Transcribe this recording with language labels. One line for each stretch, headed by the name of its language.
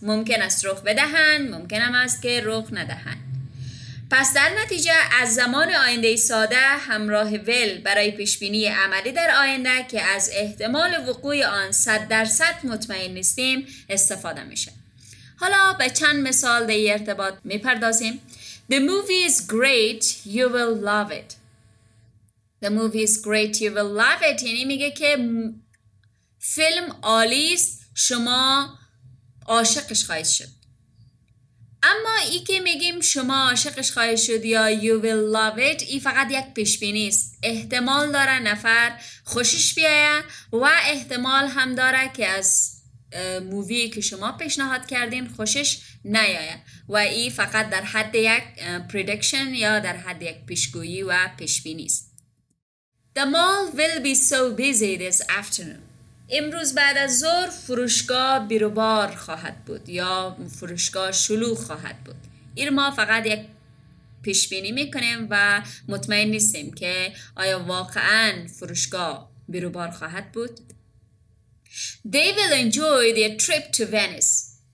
Persian: ممکن است رخ بدهند، ممکن هم است که رخ ندهند. پس در نتیجه از زمان آینده ساده همراه ویل برای پیشبینی عملی در آینده که از احتمال وقوع آن 100% مطمئن نیستیم استفاده میشه. حالا به چند مثال در ارتباط میپردازیم.
English: The movie is great, you will love it. The movie is great, you will love it.
Persian: یعنی میگه که فیلم عالی است، شما عاشقش خواهید شد. اما ای که میگیم شما عاشقش خواهید شد یا
English: you will love it،
Persian: ای فقط یک پیشبینی است. احتمال داره نفر خوشش بیایه و احتمال هم داره که از مووی که شما پیشنهاد کردین خوشش نیاید و ای فقط در حد یک prediction یا در حد یک پیشگویی و پیشبینی است.
English: The mall will be so busy this afternoon.
Persian: امروز بعد از ظهر فروشگاه بیروبار خواهد بود یا فروشگاه شلوغ خواهد بود. این ما فقط یک پیشبینی میکنیم و مطمئن نیستیم که آیا واقعا فروشگاه بیروبار خواهد بود؟
English: They will enjoy their trip to Venice.